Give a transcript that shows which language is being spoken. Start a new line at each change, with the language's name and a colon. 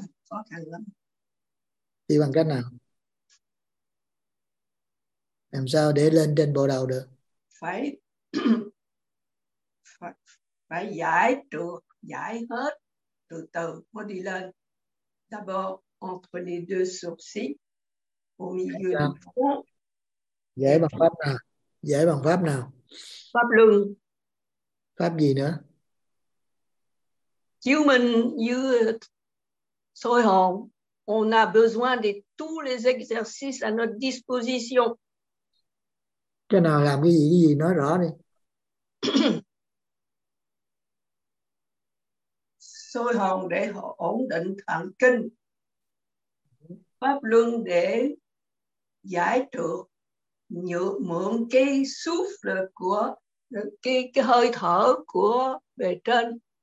Vietnamese: Khó khăn lắm. Đi bằng cách nào? Làm sao để lên trên bộ đầu được? Phải giải được, giải hết, từ từ mới đi lên.
French: D'abord entre les deux sourcils, au milieu du front.
Vietnamese: Giải bằng pháp nào? Giải bằng pháp nào? Pháp luân. Pháp gì nữa? Chiếu mình như soi hồn.
French: On a besoin de tous les exercices à notre disposition.
Vietnamese: Cái nào làm cái gì nói rõ đi. Soi hồn để ổn định thần kinh. Pháp luân để giải trược, mượn cái souffle của cái hơi thở của bề trên.